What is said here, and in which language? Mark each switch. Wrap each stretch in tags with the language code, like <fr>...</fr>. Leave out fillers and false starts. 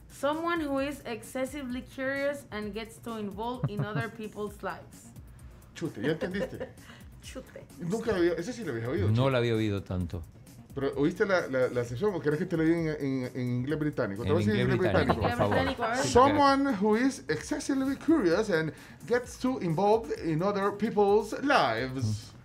<en>Someone who is excessively curious and gets to involve in other people's lives.</en> <es>Chute, ¿ya entendiste? Chute. Nunca lo había, ese sí lo había oído. No lo había oído tanto. ¿Pero oíste la sesión o querés que te lo diga en inglés británico? En inglés británico, por favor.</es> <en>Someone who is excessively curious and gets too involved in other people's lives.</en>